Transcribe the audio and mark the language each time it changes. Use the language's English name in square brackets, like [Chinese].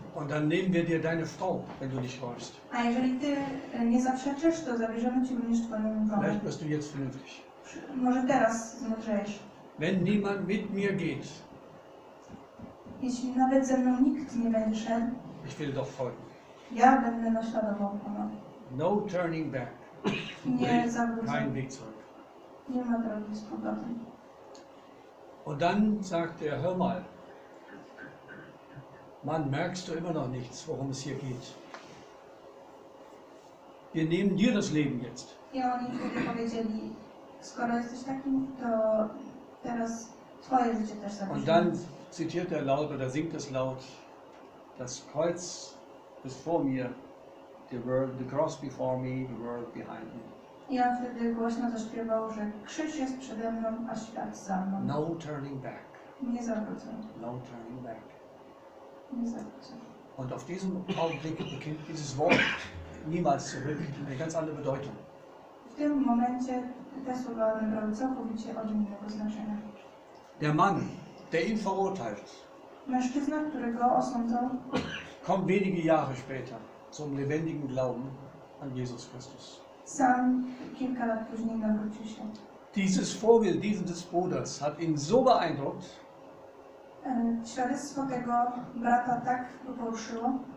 [German] Und dann nehmen wir dir deine Frau, wenn du nicht wolltest. [Polish] A jeżeli ty nie zaprzeczysz, to zabierzemy ci również twoją żonę. [German] Vielleicht bist du jetzt vernünftig. [Polish] Może teraz zmądrzejesz. [German] Wenn niemand mit mir geht. [Polish] Jeśli nawet ze mną nikt nie będzie szedł. [German] Ich will doch folgen. [Polish] Ja będę naśladował pana. [English] No turning back. [Polish] Nie zawrócę. [German] Kein Weg zurück. [Polish] Nie ma drogi z powrotem. [German] Und dann sagt er, hör mal. Mann, merkst du immer noch nichts, worum es hier geht? Wir nehmen dir das Leben jetzt. [Polish] Ja, oni wtedy powiedzieli, skoro jesteś takim, to teraz twoje życie też zabierzemy. [German] Und dann zitiert er laut, oder singt es laut, das Kreuz ist vor mir, [English] the world, the cross before me, the world behind me. [Polish] Ja wtedy głośno zaśpiewał, że krzyż jest przede mną, a świat za mną. [English] No turning back. [Polish] Nie zawrócę. [English] No turning back. [German] Und auf diesem Augenblick beginnt dieses Wort niemals zurück eine ganz andere Bedeutung. [Polish] W tym momencie te słowa nabrały całkowicie odmiennego znaczenia. [German] Der Mann, der ihn verurteilt, [Polish] mężczyzna, którego osądzał, [German] kommt wenige Jahre später zum lebendigen Glauben an Jesus Christus. [Polish] Sam kilka lat później nawrócił się. [German] Dieses Vorbild dieses Bruders hat ihn so beeindruckt, [Polish] Świadectwo tego brata tak go poruszyło,